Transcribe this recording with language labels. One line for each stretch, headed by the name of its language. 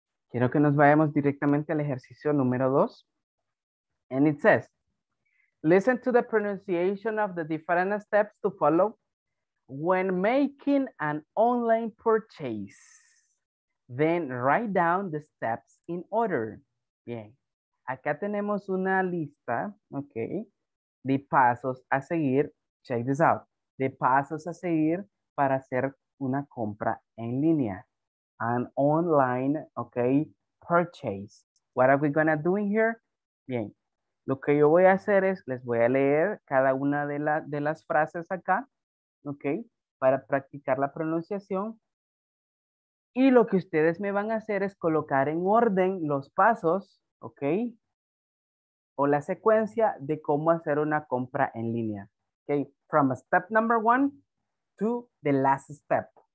Spanish: Quiero que nos vayamos directamente al ejercicio número 2.
English: And it says, listen to the pronunciation of the different steps to follow when making an online purchase. Then write down the steps in order. Bien.
Spanish: Acá tenemos una lista, okay, de pasos a seguir. Check this out. De pasos a seguir para hacer una compra en línea.
English: An online, okay, purchase.
Spanish: What are we gonna do in here? Bien. Lo que yo voy a hacer es, les voy a leer cada una de, de las frases acá, ok, para practicar la pronunciación. Y lo que ustedes me van a hacer es colocar en orden los pasos, ok, o la secuencia de cómo hacer una compra en línea.
English: Ok, from step number one to the last step.